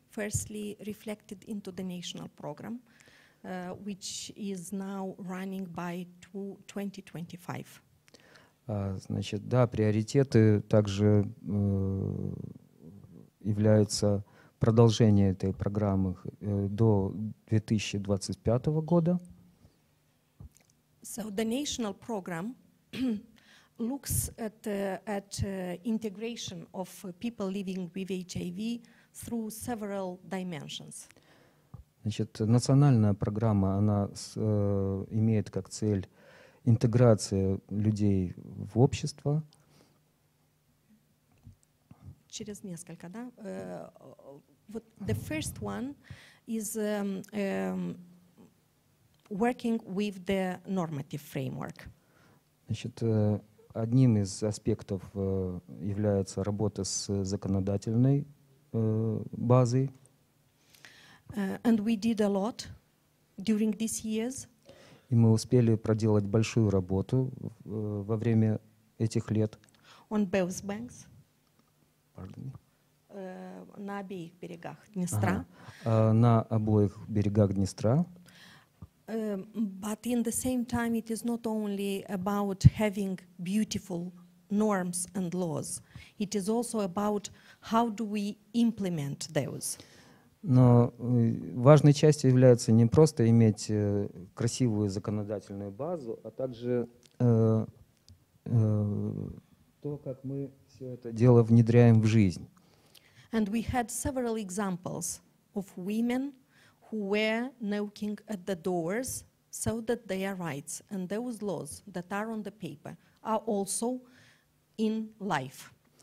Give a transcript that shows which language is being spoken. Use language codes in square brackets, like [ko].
[en] Firstly, reflected into the national program, which is now running by 2025. [ru] Значит, да, приоритеты также являются продолжение этой программы до 2025 года. [en] So the national program looks at integration of people living with HIV through several dimensions. [ru] Значит, национальная программа, она имеет как цель интеграция людей в общество. Через несколько, да? [en] But the first one is working with the normative framework. [ru] Значит, одним из аспектов является работа с законодательной базой. [en] And we did a lot during these years. [ru] И мы успели проделать большую работу во время этих лет. [en] On both banks. Pardon me. [ru] На обеих берегах Днестра. На обоих берегах Днестра. [en] But in the same time, it is not only about having beautiful norms and laws. It is also about how do we implement those. [ru] Но важной частью является не просто иметь красивую законодательную базу, а также то, как мы все это дело внедряем в жизнь. [en] And we had several examples of women who were knocking at the doors so that their rights and those laws that are on the paper are also in life.